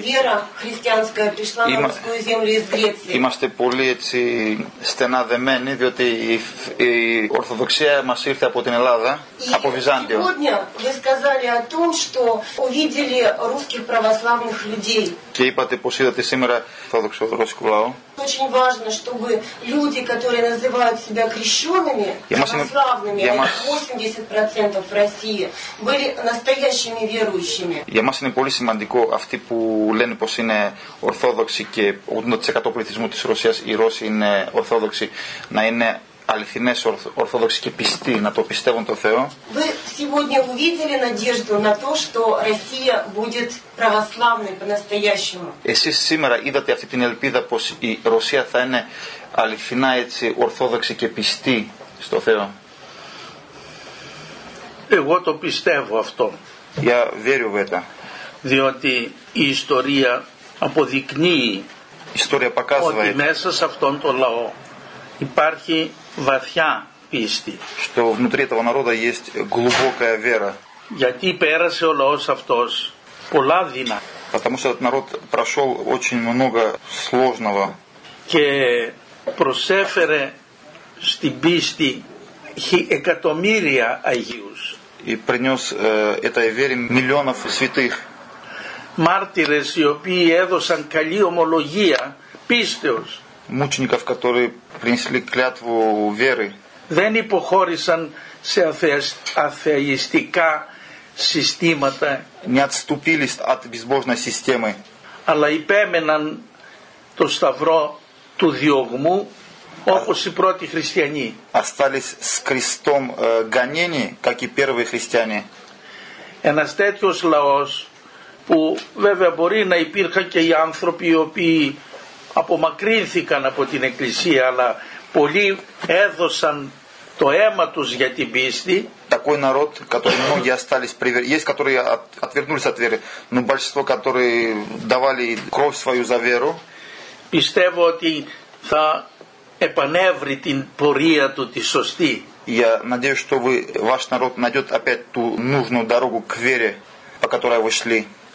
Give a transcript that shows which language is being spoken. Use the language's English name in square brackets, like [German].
[Russian] Вера христианская пришла на русскую землю из Греции. [Greek] Είμαστε πολύ έτσι στενά δεμένοι, διότι η Ορθοδοξία μας ήρθε από την Ελλάδα, από Βυζάντιο. [Russian] Сегодня вы сказали о том, что увидели русских православных людей. [Greek] Και είπατε πως είδατε σήμερα Ορθόδοξο Ρώσικο λαό. [Russian] Очень важно, чтобы люди, которые называют себя крещенными, православными, мас... 80% в России, были настоящими верующими. [Greek] Για μας είναι πολύ σημαντικό αυτοί που λένε πως είναι Ορθόδοξοι και 80% πληθυσμού της Ρωσίας, οι Ρώσοι είναι Ορθόδοξοι, να είναι αληθινές ορθόδοξοι και πιστοί να το πιστεύουν τον Θεό. [Russian] Вы сегодня увидели надежду на то, что Россия будет православной по-настоящему. [Greek] Εσείς σήμερα είδατε αυτή την ελπίδα πως η Ρωσία θα είναι αληθινά έτσι ορθόδοξη και πιστή στο Θεό. Εγώ το πιστεύω αυτό. [Russian] Я верю в это. [Greek] Διότι η ιστορία αποδεικνύει [Russian] история показывает, [Greek] ότι μέσα σε αυτόν τον λαό υπάρχει βαθιά πίστη. [Russian] Что внутри этого народа есть глубокая вера. [Greek] Γιατί πέρασε ο λαός αυτός πολλά δεινά. [Russian] Потому что этот народ прошел очень много сложного. [Greek] Και προσέφερε στην πίστη εκατομμύρια αγίους. [Russian] И принес этой вере миллионов святых. [Greek] Μάρτυρες οι οποίοι έδωσαν καλή ομολογία πίστεως. [Russian] Мучеников, которые принесли клятву веры. [Greek] Δεν υποχώρησαν σε αθεϊστικά συστήματα. [Russian] Не отступились от безбожной системы. [Greek] Αλλά υπέμεναν το σταυρό του διωγμού όπως οι πρώτοι χριστιανοί. [Russian] Остались с крестом гонений, как и первые христиане. [Greek] Ένας τέτοιος λαός που βέβαια μπορεί να υπήρχαν και οι άνθρωποι οι οποίοι απομακρύνθηκαν από την Εκκλησία, αλλά πολλοί έδωσαν το αίμα τους για την πίστη. [Russian] Такой народ, который многие остались при вере, есть которые отвернулись от веры, но большинство, которые давали кровь свою за веру. [Greek] Πιστεύω ότι θα επανέβρει την πορεία του τη σωστή. [Russian] Я надеюсь, что вы, ваш народ найдет опять ту нужную дорогу к вере, по которой вы шли.